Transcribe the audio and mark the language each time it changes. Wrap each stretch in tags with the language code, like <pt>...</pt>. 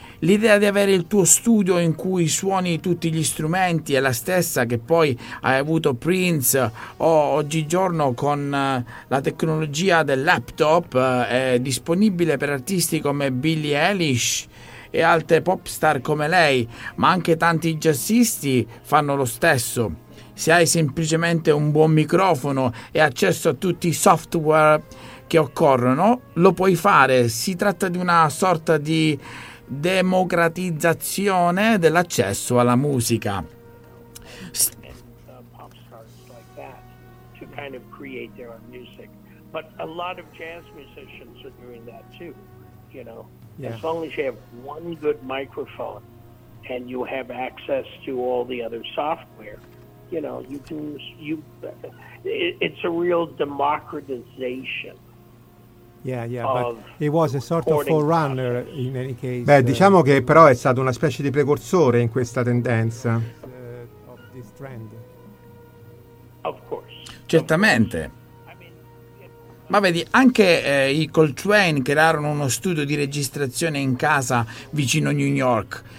<it>L'idea di avere il tuo studio in cui suoni tutti gli strumenti è la stessa che poi hai avuto Prince o oggigiorno con la tecnologia del laptop è disponibile per artisti come Billie Eilish e altre pop star come lei, ma anche tanti jazzisti fanno lo stesso. Se hai semplicemente un buon microfono e accesso a tutti i software che occorrono, lo puoi fare. Si tratta di una sorta di democratizzazione dell'accesso alla musica.</it> <en>Pop stars like that to kind of create their own music. But a lot of jazz musicians are doing that too, you know. Yeah. As long as you have one good microphone and you have access to all the other software, you know, you can, you, it's a real democratization. Yeah, yeah, but it was a sort of forerunner in any case.</en> <it>Beh, diciamo che però è stato una specie di precursore in questa tendenza.</it> <en>Of this trend. Of course.</en> <it>Certamente. Ma vedi, anche i Coltrane crearono uno studio di registrazione in casa vicino New York.</it>